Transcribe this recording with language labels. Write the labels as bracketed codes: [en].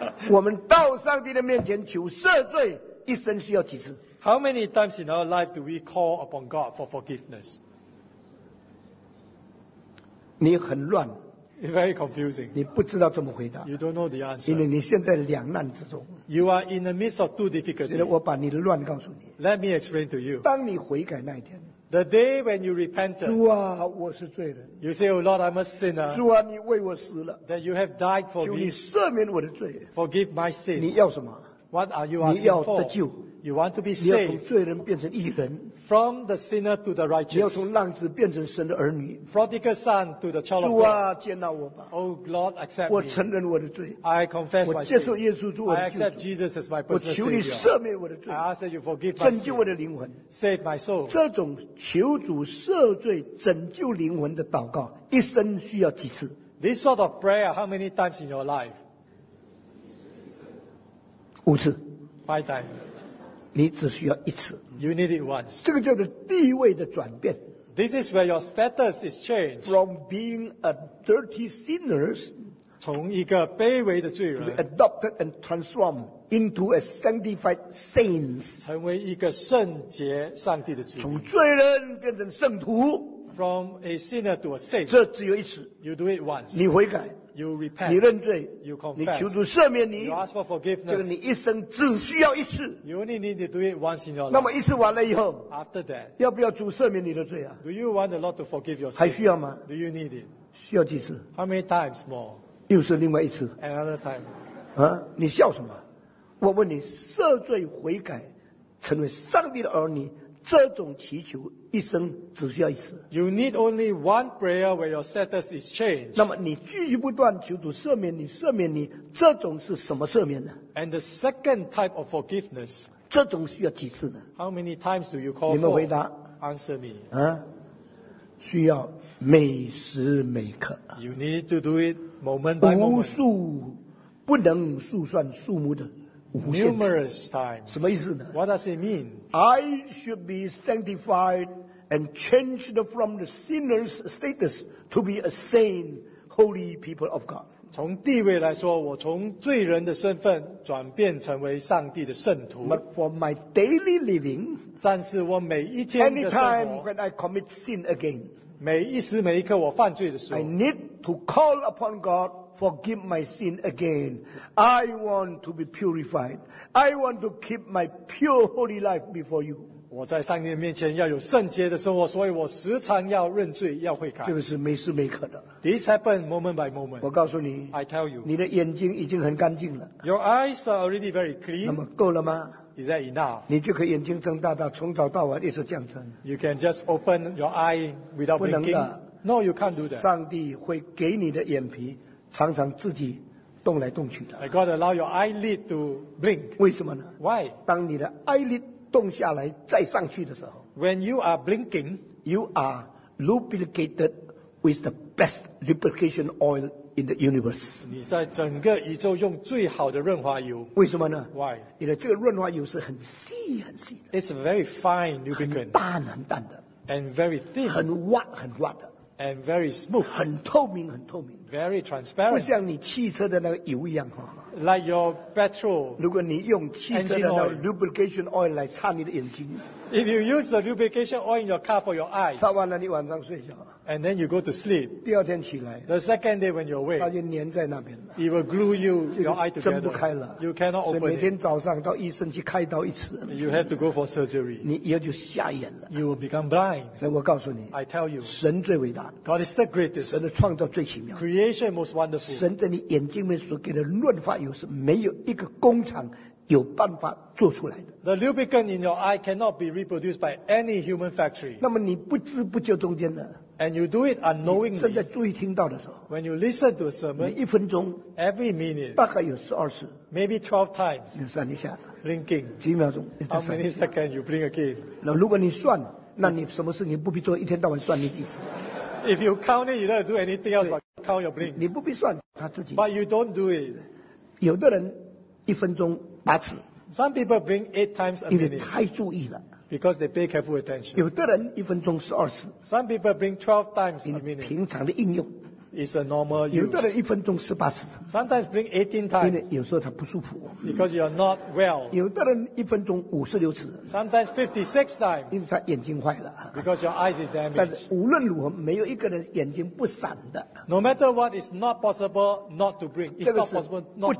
[zh] 我们到上帝的面前求赦罪, 一生需要几次? [en] How many times in our life do we call upon God for forgiveness? [zh] 你很乱, [en] it's very confusing. [zh] 你不知道怎么回答, [en] you don't know the answer. [zh] 因为你现在两难之中, [en] you are in the midst of two difficulties. [zh] 所以我把你的乱告诉你, [en] let me explain to you. [zh] 当你悔改那一天, [en] the day when you repented, [zh] 主啊, 我是罪人, [en] you say, oh Lord, I'm a sinner. [zh] 主啊, 你为我死了, [en] that you have died for [zh] 求你赦免我的罪, [en] me. [zh] 赦免我的罪, [en] forgive my sin. [zh] 你要什么? [en] What are you asking [zh] 你要得救, [en] for? You want to be saved. From the sinner to the righteous. Prodigal son to the child of God. Oh Lord, accept me. I confess my sin. I accept Jesus as my personal Savior. I ask that you forgive my sin. Save my soul. [zh] 这种求主赦罪拯救灵魂的祷告, [en] this sort of prayer, how many times in your life? [zh] 五次. [en] Five times. [zh] 你只需要一次, [en] you need it once. [zh] 这个叫做地位的转变, [en] this is where your status is changed. From being a dirty sinners, [zh] 从一个卑微的罪人, [en] to be adopted and transformed into a sanctified saints, [zh] 成为一个圣洁上帝的子民, 从罪人变成圣徒, [en] from a sinner to a saint. [zh] 这只有一次, [en] you do it once. [zh] 你悔改, [en] you repent, [zh] 你认罪, [en] you confess, [zh] 你求主赦免你, [en] you ask for forgiveness, [zh] 就是你一生只需要一次, [en] you only need to do it once in your life. [zh] 那么一次完了以后, [en] after that, [zh] 要不要主赦免你的罪啊? [en] Do you want the Lord to forgive your sin? [zh] 还需要吗? [en] Do you need it? [zh] 需要几次? [en] How many times more? [zh] 又是另外一次, [en] another time. [zh] 你笑什么? 我问你, 赦罪悔改, 成为上帝的儿女, 这种祈求, [en] you need only one prayer where your status is changed. [zh] 那么你继续不断求主赦免你, 这种是什么赦免呢? [en] And the second type of forgiveness, [zh] 这种需要几次呢? [en] How many times do you call [zh] 你们回答, [en] for? Answer me. [zh] 需要每时每刻, [en] you need to do it moment by moment. [zh] 无数不能数算数目的, [en] numerous times. [zh] 什么意思呢? [en] What does it mean? I should be sanctified and changed from the sinner's status to be a saint, holy people of God. [zh] 从地位来说, 我从罪人的身份转变成为上帝的圣徒, [en] but for my daily living, [zh] 暂时我每一天的生活, [en] anytime when I commit sin again, [zh] 每一时每一刻我犯罪的时候 [en] I need to call upon God forgive my sin again. I want to be purified. I want to keep my pure holy life before you. [zh] 我在上帝面前要有圣洁的生活，所以我时常要认罪，要悔改。这个是每时每刻的。 [en] This happened moment by moment. [zh] 我告诉你 [en] I tell you. [zh] 你的眼睛已经很干净了。 [en] Your eyes are already very clean. [zh] 那么够了吗？ [en] Is that enough? [zh] 你就可以眼睛睁大大，从早到晚一直这样睁。 [en] You can just open your eye without blinking. [zh] 不能的。 [en] No, you can't do that. [zh] 上帝会给你的眼皮常常自己动来动去的。 [en] I gotta allow your eyelid to blink. [zh] 为什么呢 [en] ？Why? [zh] 当你的 eyelid 动下来再上去的时候 [en] ，When you are blinking, you are lubricated with the best lubrication oil. In the universe. [zh] 你在整个宇宙用最好的润滑油。为什么呢 [en] ？Why？ [zh] 因为这个润滑油是很细很细的。 [en] It's a very fine lubricant. [zh] 很淡很淡的。 [en] And very thin. [zh] 很滑很滑的。 [en] And very smooth. [zh] 很透明很透明。 [en] Very transparent. [zh] 不像你汽车的那个油一样哈。 [en] Like your petrol. [zh] 如果你用汽车的那个 lubrication oil 来擦你的眼睛。 [en] If you use the lubrication oil in your car for your eyes. [zh] 擦完了你晚上睡觉。 [en] And then you go to sleep. [zh] 第二天起来。 [en] The second day when you're awake. [zh] 它就粘在那边了。 [en] It will glue you, your eye together. [zh] 睁不开了。 [en] You cannot open it. [zh] 所以每天早上到医生去开刀一次。 [en] You have to go for surgery. [zh] 你以后就瞎眼了。 [en] You will become blind. [zh] 所以我告诉你。 [en] I tell you. [zh] 神最伟大。 [en] God is the greatest. [zh] 神的创造最奇妙。 [en] Creation most wonderful. [zh] 神在你眼睛里面所给的润滑油是没有一个工厂有办法做出来的。 [en] The lubricant in your eye cannot be reproduced by any human factory. [zh] 那么你不知不觉中间呢？ [en] And you do it unknowingly. [zh] 正在注意听到的时候 [en] ，When you listen to a sermon, [zh] 每一分钟 [en] ，Every minute, [zh] 大概有十二次 [en] ，Maybe 12 times. [zh] 你算一下 [en] ，Blinking, [zh] 几秒钟 [en] ，How many seconds you blink again? [zh] 那如果你算，那你什么事你不必做，一天到晚算你几次 [en] ？If you count it, you don't do anything else but count your blinks. [zh] 你不必算他自己 [en] ，But you don't do it. [zh] 有的人一分钟八次 [en] ，Some people blink 8 times a minute. [zh] 因为太注意了。 [en] Because they pay careful attention. [zh] 有的人一分钟十二次。 [en] Some people bring 12 times a minute. [zh] 平常的应用。 [en] It's a normal use. [zh] 有的人一分钟十八次。 [en] Sometimes bring 18 times. [zh] 因为有时候他不舒服。 [en] Because you're not well. [zh] 有的人一分钟五十六次。 [en] Sometimes 56 times. [zh] 因为他眼睛坏了。 [en] Because your eyes is damaged. [zh] 但是无论如何，没有一个人眼睛不闪的。 [en] No matter what, it's not possible not to bring. It's not possible not to bring.